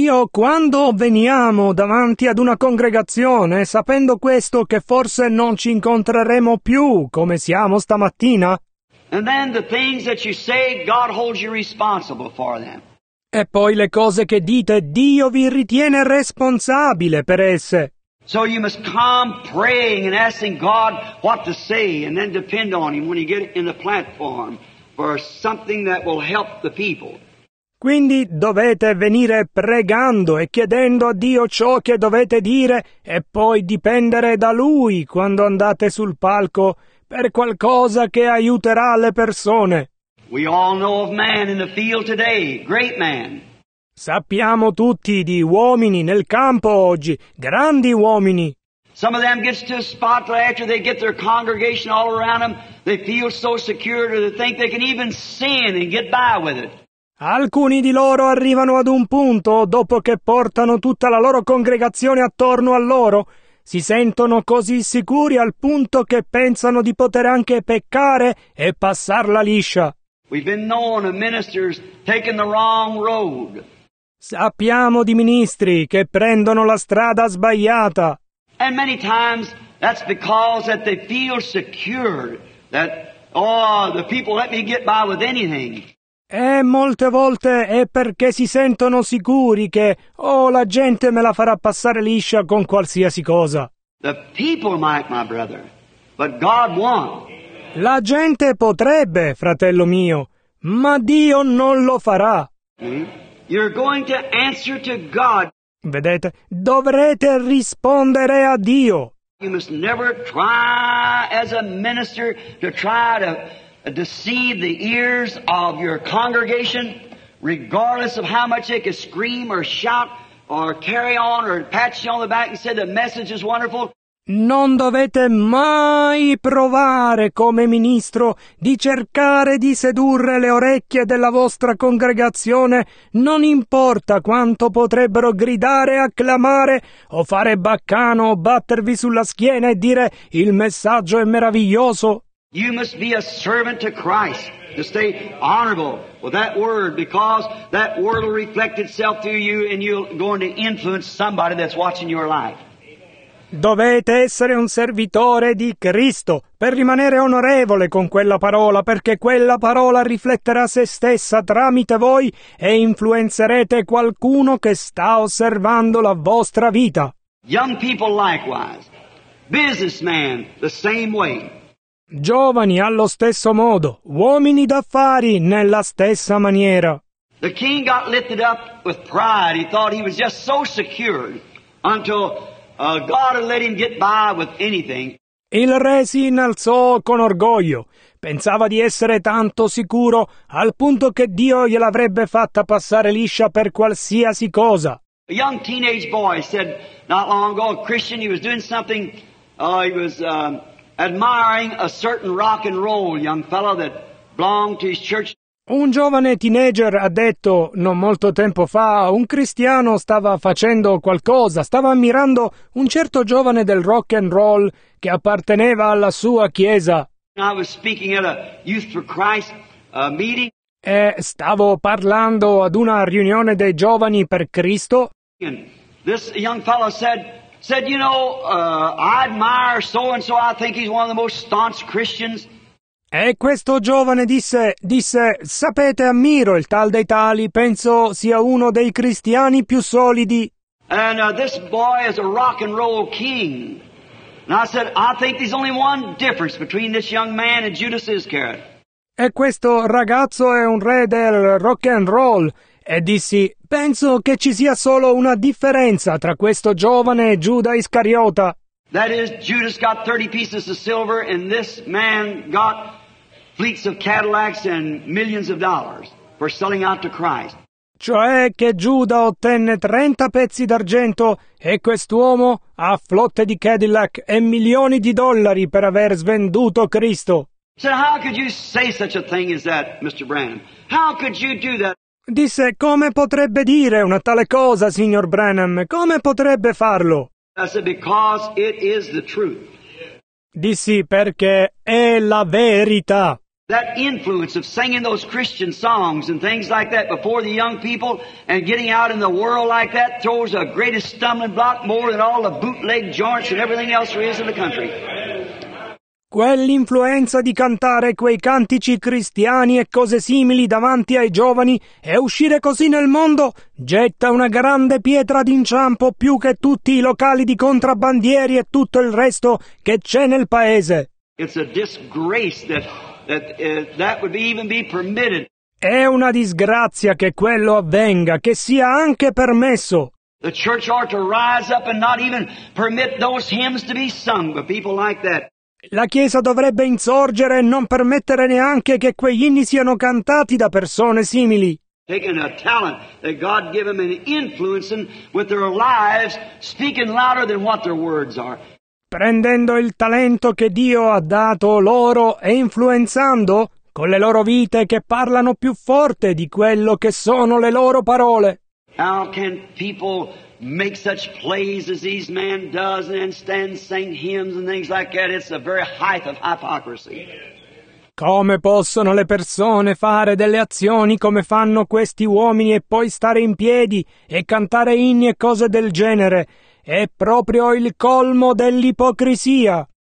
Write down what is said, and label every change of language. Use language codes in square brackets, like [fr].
[it] Quando veniamo davanti ad una congregazione, sapendo questo che forse non ci incontreremo più come siamo stamattina. [en] And then the things that you say, God holds you responsible for them. [it] E poi le cose che dite, Dio vi ritiene responsabile per esse. [en] So you must come praying and asking God what to say and then depend on Him when you get in the platform. for something that will help the people. [it] Quindi dovete venire pregando e chiedendo a Dio ciò che dovete dire e poi dipendere da Lui quando andate sul palco per qualcosa che aiuterà le persone. [en] We all know of man in the field today, great man. [it] Sappiamo tutti di uomini nel campo oggi, grandi uomini. [en] Some of them gets to a spot after they get their congregation all around them, they feel so secure that they think they can even sin and get by with it. [it] Alcuni di loro arrivano ad un punto, dopo che portano tutta la loro congregazione attorno a loro, si sentono così sicuri al punto che pensano di poter anche peccare e passarla liscia. [en] We've been known of ministers taking the wrong road. [it] Sappiamo di ministri che prendono la strada sbagliata. [en] And many times that's because that they feel secure, that, oh, the people let me get by with anything. [it] E molte volte è perché si sentono sicuri che, oh, la gente me la farà passare liscia con qualsiasi cosa. [en] The people might, my brother, but God won't. [it] La gente potrebbe, fratello mio, ma Dio non lo farà. [en] You're going to answer to God. [it] Vedete, dovrete rispondere a Dio. [en] You must never try as a minister to try to deceive the ears of your congregation, regardless of how much they can scream or shout or carry on or pat you on the back and say the message is wonderful. [it] Non dovete mai provare come ministro di cercare di sedurre le orecchie della vostra congregazione, non importa quanto potrebbero gridare, acclamare o fare baccano o battervi sulla schiena e dire il messaggio è meraviglioso. [en] You must be a servant to Christ to stay honorable with that word, because that word will reflect itself to you and you're going to influence somebody that's watching your life. [it] Dovete essere un servitore di Cristo per rimanere onorevole con quella parola, perché quella parola rifletterà se stessa tramite voi e influenzerete qualcuno che sta osservando la vostra vita. [en] Young people likewise, businessmen the same way. [it] Giovani allo stesso modo, uomini d'affari nella stessa maniera. [en] The king got lifted up with pride. He thought he was just so secure until God had let him get by with anything. [it] Il re si innalzò con orgoglio. Pensava di essere tanto sicuro al punto che Dio gliel'avrebbe fatta passare liscia per qualsiasi cosa. [en] A young teenage boy said not long ago, a Christian, he was doing something, he was admiring a certain rock and roll young fellow that belonged to his church. [it] Un giovane teenager ha detto non molto tempo fa, un cristiano stava facendo qualcosa, stava ammirando un certo giovane del rock and roll che apparteneva alla sua chiesa. [en] I was speaking at a Youth for Christ meeting. [it] E stavo parlando ad una riunione dei giovani per Cristo. [en] And this young fellow said, you know, I admire so and so, I think he's one of the most staunch Christians. [it] E questo giovane disse, sapete, ammiro il tal dei tali, penso sia uno dei cristiani più solidi. [en] And this boy is a rock and roll king. And I said, I think there's only one difference between this young man and Judas Iscariot. [it] E questo ragazzo è un re del rock and roll. E dissi, penso che ci sia solo una differenza tra questo giovane e Giuda Iscariota. [en] That is, Judas got 30 pieces of silver and this man got fleets of Cadillacs and millions of dollars for selling out to Christ. [it] Cioè che Giuda ottenne 30 pezzi d'argento e quest'uomo ha flotte di Cadillac e milioni di dollari per aver svenduto Cristo. [en] So how could you say such a thing as that, Mr. Branham? How could you do that? [it] Disse, come potrebbe dire una tale cosa, signor Branham? Come potrebbe farlo? [en] I said, because it is the truth. [it] Dissi, perché è la verità. [en] That influence of singing those Christian songs and things like that before the young people and getting out in the world like that throws a greatest stumbling block more than all the bootleg joints and everything else there is in the country. [it] Quell'influenza di cantare quei cantici cristiani e cose simili davanti ai giovani e uscire così nel mondo getta una grande pietra d'inciampo più che tutti i locali di contrabbandieri e tutto il resto che c'è nel paese. [en] It's a disgrace that that that would even be permitted. [it] È una disgrazia che quello avvenga, che sia anche permesso. [en] The church ought to rise up and not even permit those hymns to be sung by people like that. [it] La Chiesa dovrebbe insorgere e non permettere neanche che quegli inni siano cantati da persone simili. [en] Taking a talent that God gave them and influencing with their lives, speaking louder than what their words are. [it] Prendendo il talento che Dio ha dato loro e influenzando con le loro vite che parlano più forte di quello che sono le loro parole. [en] How can people make such plays as these men does and stand sing hymns and things like that? It's the very height of hypocrisy. [it] Come possono le persone fare delle azioni come fanno questi uomini e poi stare in piedi e cantare inni e cose del genere? È proprio il colmo dell'ipocrisia.